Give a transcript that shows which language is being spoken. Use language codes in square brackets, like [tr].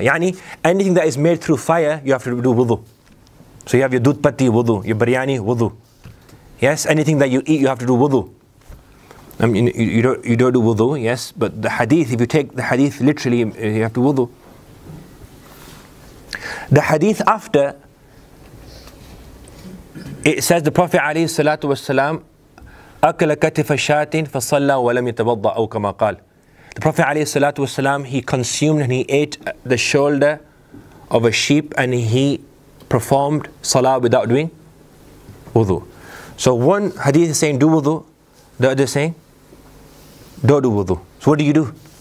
[en] Yani, anything that is made through fire, you have to do wudu. So you have your dudpati, wudu, your biryani, wudu. Yes, anything that you eat, you have to do wudu. I mean, you don't do wudu, yes, but the hadith, if you take the hadith literally, you have to wudu. The hadith after, it says the Prophet [ar] عليه الصلاة والسلام أكل كتف شاتين فصلى ولم يتبضع أو كما قال. [en] The Prophet [ar] عليه الصلاة والسلام, [en] he consumed and he ate the shoulder of a sheep and he performed salah without doing wudu. So one hadith is saying do wudu, the other is saying don't do wudu. So what do you do?